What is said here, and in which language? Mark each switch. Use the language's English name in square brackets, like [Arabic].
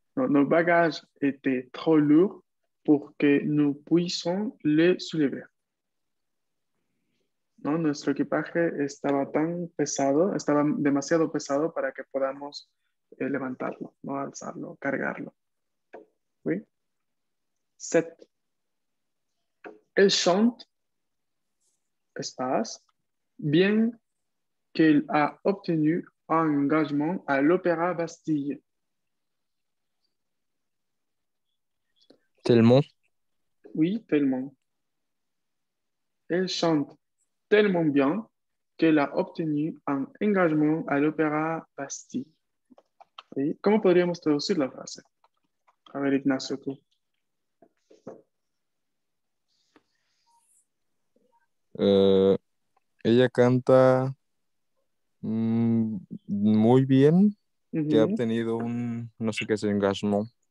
[French] Nos bagages étaient trop lourds pour que nous puissions les soulever. [Spanish] ¿No? Nuestro equipaje estaba tan pesado, estaba demasiado pesado para que podamos levantarlo, ¿no? Alzarlo, cargarlo. Oui. 7. [French] Elle chante, espace, bien qu'elle a obtenu un engagement à l'Opéra Bastille. Tellement. Oui, tellement. Elle chante tellement bien qu'elle a obtenu un engagement à l'Opéra Bastille. Oui. Comment [Spanish] podríamos traducir la [French] phrase? [Spanish] A ver, Ignacio, tú. Ella canta muy bien, que ha obtenido un, no sé qué es, engagement.